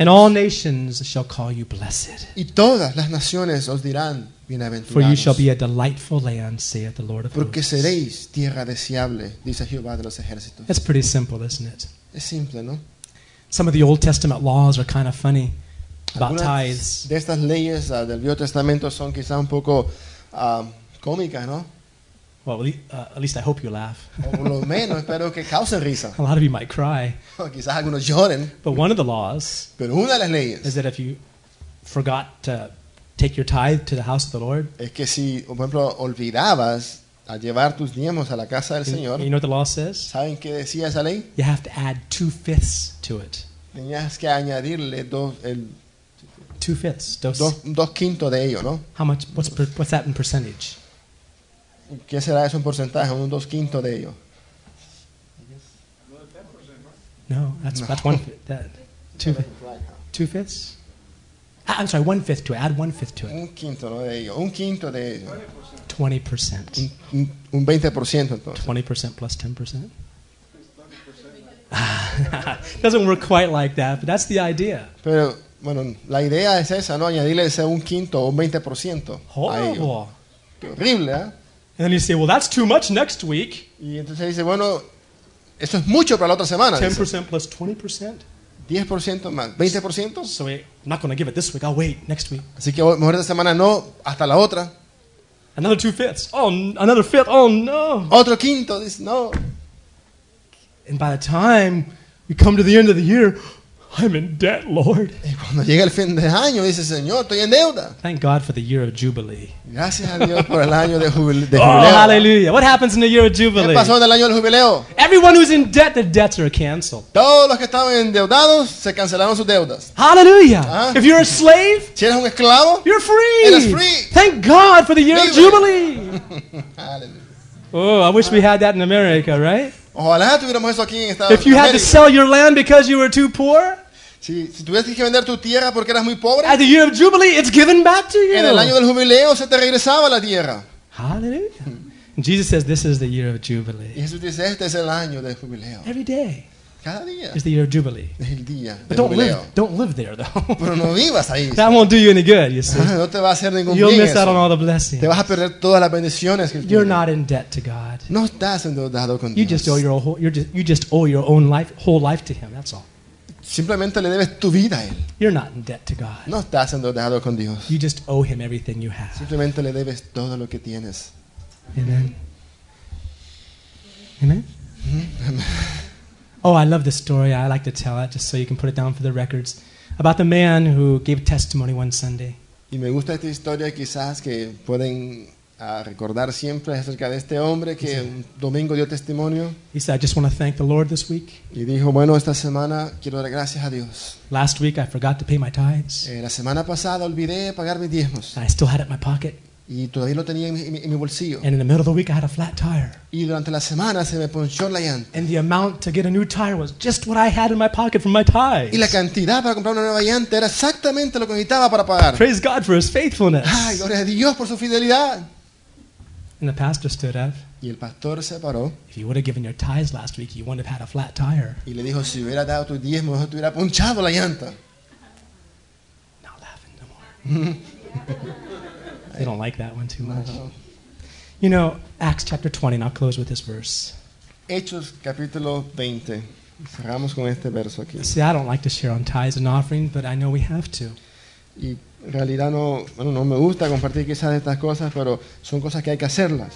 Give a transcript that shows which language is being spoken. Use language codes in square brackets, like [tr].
[en] And all nations shall call you blessed. [es] Y todas las naciones os dirán bienaventurados. [en] For you shall be a delightful land, saith the Lord of hosts. [es] Porque seréis tierra deseable, dice Jehová de los ejércitos. [en] That's pretty simple, isn't it? [es] Es simple, ¿no? [en] Some of the Old Testament laws are kind of funny about tithes. [es] De estas leyes del Viejo Testamento son quizá un poco cómicas, ¿no? [en] Well, at least I hope you laugh. [es] O lo menos espero que causen risa. [en] A lot of you might cry. [es] Quizás algunos lloren. [en] But one of the laws. [es] Pero una de las leyes. [en] Is that if you forgot to take your tithe to the house of the Lord? [es] Es que si, por ejemplo, olvidabas a llevar tus diezmos a la casa del Señor. [en] You know what the law says? [es] ¿Saben qué decía esa ley? [en] You have to add 2/5 to it. [es] Tenías que añadirle dos quintos de ello, ¿no? [en] How much? What's that in percentage? [es] ¿Qué será eso en porcentaje? Un dos quinto de ello. [en] No, that's one fifth. Two fifths. I'm sorry, 1/5 to it. Add 1/5 to it. [es] Un quinto, ¿no? De ello. Un quinto de ello. [en] 20%. [es] Un 20% entonces. [en] 20% plus 10%. Doesn't work quite like that, but that's the idea. [es] Pero bueno, la idea es esa, ¿no? Añadirle ese un quinto o 20%. [en] Horrible. [es] Horrible, ¿eh? [en] And then you say, well, that's too much next week. [es] Y entonces dice, bueno, eso es mucho para la otra semana. [en] 10% [es] dice. [en] Plus 20%. [es] 10% más 20%. [en] So I'm not going to give it this week. I'll wait next week. [es] Así que mejor esta semana no, hasta la otra. [en] Another 2/5. Oh, another fifth. Oh, no. [es] Otro quinto. [en] This, [es] no. [en] And by the time we come to the end of the year, I'm in debt, Lord. [es] Y cuando llega el fin de año, dice, Señor, estoy en deuda. [en] Thank God for the year of Jubilee. [es] Gracias a Dios por el año de jubileo. [en] Oh, hallelujah. What happens in the year of Jubilee? [es] ¿Qué pasó en el año del jubileo? [en] Everyone who's in debt, the debts are canceled. [es] Todos los que estaban endeudados, se cancelaron sus deudas. [en] Hallelujah. ¿Ah? If you're a slave, [es] si eres un esclavo, [en] you're free. [es] Eres [en] free. Thank God for the year [es] libre. [en] Of Jubilee. Hallelujah. Oh, I wish we had that in America, right? [es] Ojalá tuviéramos eso aquí en Estados Unidos. [en] If you had to sell your land because you were too poor, [es] si tuvieses que vender tu tierra porque eras muy pobre, [en] at the year of Jubilee, it's given back to you. [es] En el año del jubileo se te regresaba la tierra. [en] Hallelujah. Jesus says this is the year of Jubilee. [es] Y Jesús dice, este es el año del jubileo. [en] Every day. [es] Cada día. [en] It's the year of Jubilee. [es] Es el día del jubileo. [en] Don't live there though. [es] Pero no vivas ahí. [en] That won't do you any good, you see. [es] No te va a hacer ningún [en] You'll [es] bien [en] miss [es] eso. [en] Out on all the blessings. [es] Te vas a perder todas las bendiciones que tienes. [en] You're not in debt to God. [es] No estás endeudado con [en] you You just owe your whole, you just owe your own life, whole life to Him. That's all. [es] Simplemente le debes tu vida a Él. [en] You're not in debt to God. [es] No estás endeudado con Dios. [en] You just owe Him everything you have. [es] Simplemente le debes todo lo que tienes. [en] Amen. Amen. Amen. Oh, I love this story. I like to tell it just so you can put it down for the records. About the man who gave testimony one Sunday. [es] Y me gusta esta historia quizás que pueden recordar siempre acerca de este hombre que un domingo dio testimonio. [en] He said, I just want to thank the Lord this week. [es] Y dijo, bueno, esta semana quiero dar gracias a Dios. [en] Last week I forgot to pay my tithes. [es] La semana pasada olvidé pagar mis diezmos. [en] I still had it in my pocket. [es] Y todavía lo tenía en mi bolsillo. [en] And in the middle of the week I had a flat tire. [es] Y durante la semana se me ponchó la llanta. [en] And the amount to get a new tire was just what I had in my pocket from my tithes. [es] Y la cantidad para comprar una nueva llanta era exactamente lo que necesitaba para pagar. [en] Praise God for His faithfulness. [es] Ay, gloria a Dios por su fidelidad. [en] And the pastor stood up. [es] Y el pastor se paró. [en] If you would have given your tithes last week, you wouldn't have had a flat tire. [es] Y le dijo, si hubiera dado tu diezmo, te hubiera ponchado la llanta. [en] Not laughing no more. They don't like that one too much. [es] No. [en] You know, Acts chapter 20, and I'll close with this verse. [es] Hechos capítulo 20. Cerramos con este verso aquí. [en] See, I don't like to share on tithes and offering, but I know we have to. [es] Y en realidad no, bueno, no me gusta compartir quizás estas cosas, pero son cosas que hay que hacerlas.